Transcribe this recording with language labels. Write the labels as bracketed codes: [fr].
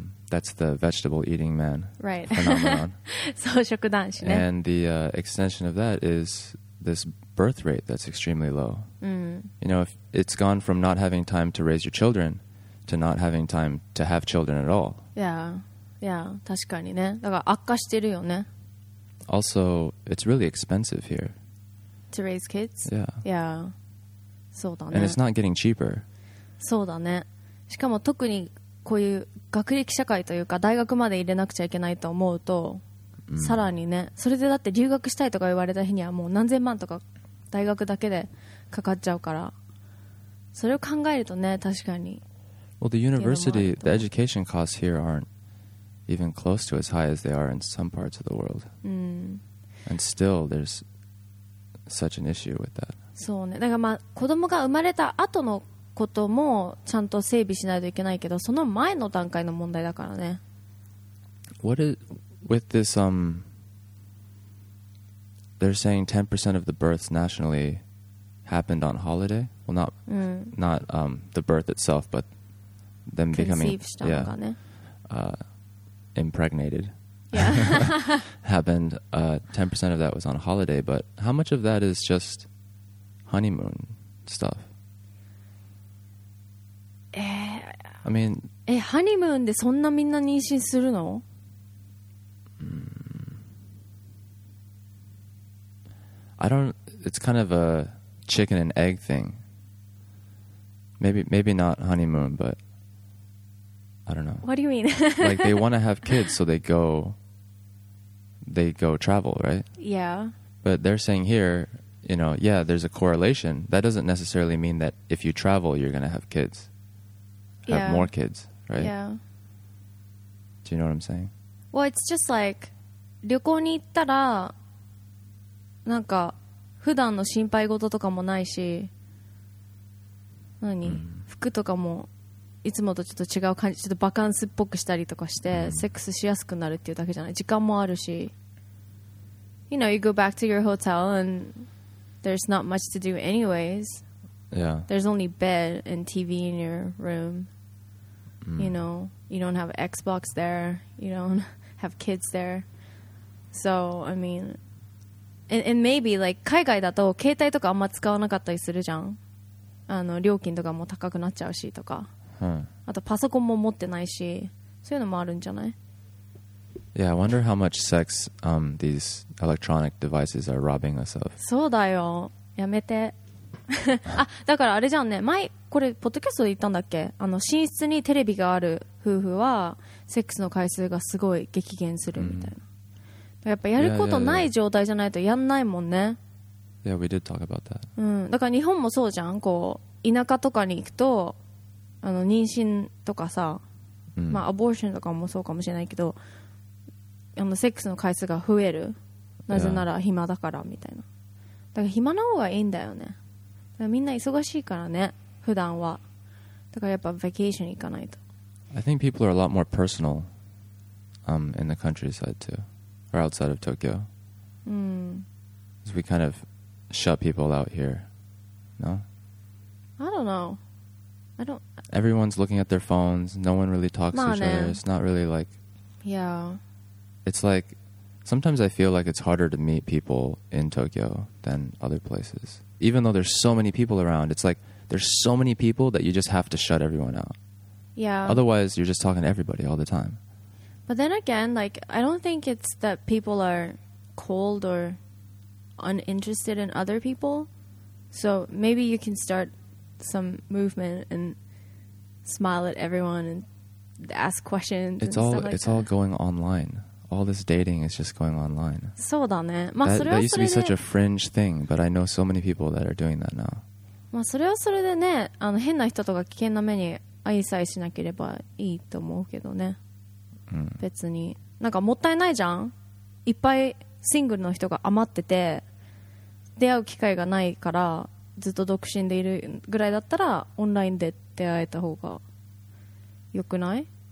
[en] That's the vegetable eating man. Right. Phenomenon. [ja] 草食男子ね。 [en] And the extension of that is this birth rate that's extremely low. You know, if it's gone from not having time to raise your children to not having time to have children at all. Yeah. Yeah. 確かにね。 [ja] だから悪化してるよね。 [en] Also, it's really expensive here. To raise kids? Yeah. [ja] Yeah.そうだね。 [en] And it's not getting cheaper. [ja] そうだね。しかも特にこういう学歴社会というか大学まで入れなくちゃいけないと思うと、うん、さらにね、それでだって留学したいとか言われた日にはもう何千万とか大学だけでかかっちゃうから、それを考えるとね、確かに。 [en] Well, the university, the education costs here aren't even close to as high as they are in some parts of the world. And still, there's such an issue with that. [ja] そうね。だからまあ子供が生まれた後のこともちゃんと整備しないといけないけど、その前の段階の問題だからね。 [en] What is with this? They're saying 10% of the births nationally happened on holiday. Well, not、うん、not the birth itself, but them becoming impregnated. Yeah. happened. 10% of that was on holiday, but how much of that is just honeymoon stuff? I mean, [ja] honeymoon でそんなみんな妊娠するの? [en] I don't. It's kind of a chicken and egg thing. Maybe not honeymoon, but I don't know. What do you mean? like they want to have kids, so they go travel, right? Yeah. But they're saying here, you know, yeah, there's a correlation. That doesn't necessarily mean that if you travel, you're going to have kids. Have yeah. more kids, right? Yeah. Do you know what I'm saying? [ja] Well, it's just like, 旅行に行ったら、なんか、普段の心配事とかもないし、何、服とかも、いつもとちょっと違う感じ、ちょっとバカンスっぽくしたりとかして、セックスしやすくなるっていうだけじゃない。時間もあるし。 [en] You know, you go back to your hotel and there's not much to do anyways. Yeah. There's only bed and TV in your room.、Mm. You know, you don't have Xbox there. You don't have kids there. [ja] So, I mean, and maybe, like, 海外だと携帯とかあんま使わなかったりするじゃん。あの、料金とかも高くなっちゃうしとか。 [en] Huh. [ja] あとパソコンも持ってないし、そういうのもあるんじゃない? [en] Yeah, I wonder how much sex, these electronic devices are robbing us of. [ja] そうだよ。やめて。あ、だからあれじゃんね、前これポッドキャストで言ったんだっけ、あの寝室にテレビがある夫婦はセックスの回数がすごい激減するみたいな、mm-hmm. やっぱやることない状態じゃないとやんないもんね。 [en] Yeah, we did talk about that、 [ja] うん、だから日本もそうじゃん、こう田舎とかに行くとあの妊娠とかさ、mm-hmm. まあアボーションとかもそうかもしれないけど、あのセックスの回数が増える、なぜなら暇だからみたいな、だから暇な方がいいんだよね、みんな忙しいからね、普段は。だからやっぱ vacation 行かないと。 [en] I think people are a lot more personal, in the countryside too, or outside of Tokyo. We kind of shut people out here, no? I don't know. I don't. Everyone's looking at their phones. No one really talks to each other. It's not really like. Yeah. It's like sometimes I feel like it's harder to meet people in Tokyo than other places. Even though there's so many people around, it's like there's so many people that you just have to shut everyone out. Yeah. Otherwise, you're just talking to everybody all the time. But then again, like, I don't think it's that people are cold or uninterested in other people. So maybe you can start some movement and smile at everyone and ask questions and stuff like that. It's all going online. All this dating is just going online. [ja] そうだね。 [en] まあ、それはそれで。 That used to be such a fringe thing, but I know so many people that are doing that now. [ja] まあ、それはそれでね、あの、変な人とか危険な目に遭いさえしなければいいと思うけどね。うん。別に。なんかもったいないじゃん。いっぱいシングルの人が余ってて、出会う機会がないから、ずっと独身でいるぐらいだったら、オンラインで出会えた方が良くない?